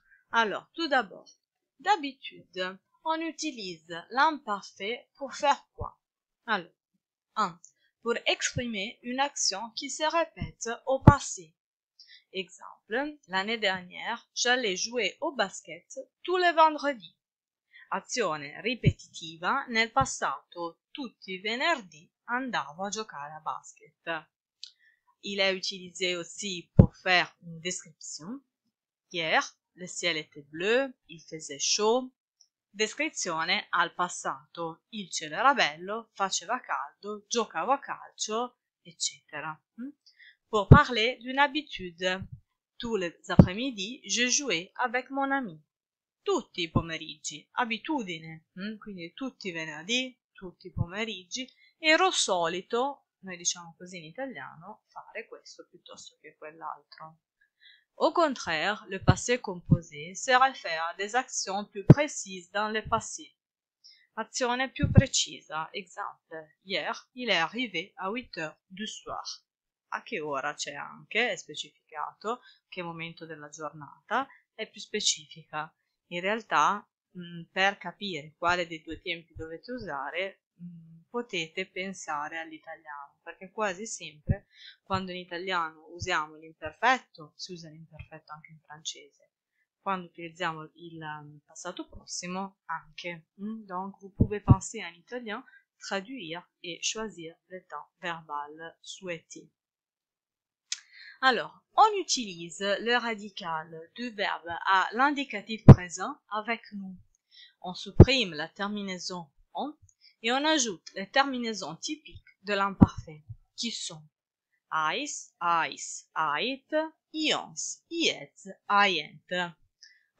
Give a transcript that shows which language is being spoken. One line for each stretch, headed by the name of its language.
French: Alors, tout d'abord, d'habitude, on utilise l'imparfait pour faire quoi? Alors, 1. Pour exprimer une action qui se répète au passé. Exemple, l'année dernière, j'allais jouer au basket tous les vendredis.
Italian: Azione ripetitiva nel passato, tutti i venerdì andavo a giocare a basket.
French: Il est utilisé aussi pour faire une description. Hier, le ciel était bleu, il faisait chaud.
Italian: Descrizione al passato, il cielo era bello, faceva caldo, giocavo a calcio, eccetera.
French: Pour parler d'une habitude, tous les après-midi, je jouais avec mon ami.
Italian: Tutti i pomeriggi, abitudine, quindi tutti i venerdì, tutti i pomeriggi, ero solito, noi diciamo così in italiano, fare questo piuttosto che quell'altro.
French: Au contraire, le passé composé se réfère à des actions plus précises dans le passé.
Italian: Azione più precisa,
French: exemple, hier il est arrivé à 8h du soir.
Italian: A che ora c'è anche, è specificato, che momento della giornata, è più specifica. In realtà, per capire quale dei due tempi dovete usare, potete pensare all'italiano, perché quasi sempre, quando in italiano usiamo l'imperfetto, si usa l'imperfetto anche in francese, quando utilizziamo il passato prossimo, anche.
French: Donc, vous pouvez penser en italien, traduire e choisir le temps verbal souhaité. Alors, on utilise le radical du verbe à l'indicatif présent avec nous. On supprime la terminaison « on » et on ajoute les terminaisons typiques de l'imparfait, qui sont « is »,« is »,« it »,« ions »,« iet »,« ient ».